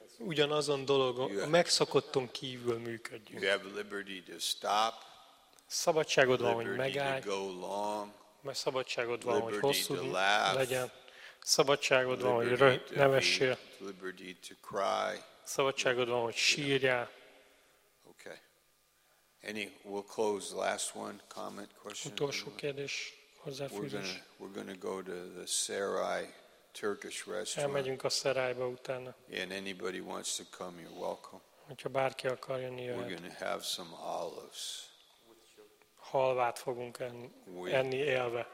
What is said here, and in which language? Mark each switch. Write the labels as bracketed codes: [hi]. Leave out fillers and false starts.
[hu] But ugyanazon dologon, megszokotton kívül működjünk. [en] You have liberty to stop. [hu] Szabadságod van, hogy megállj. [en] Liberty to go long. [hu] Mert szabadságod van, hogy hosszú legyen. Szabadságod van, hogy nevessél. [en] Liberty to cry. [hu] Szabadságod van, hogy sírjál. [en] Okay. Any, we'll close the last one, comment, question. [hu] Utolsó kérdés, hozzáfűzés. [en] We're going to go to the Sarai Turkish restaurant. [hu] Elmegyünk a Szerájba utána. [en] And anybody wants to come, you're welcome. [hu] Hogyha bárki akar jönni, jöhet. [en] We're going to have some olives. [hu] Halvát fogunk enni élve.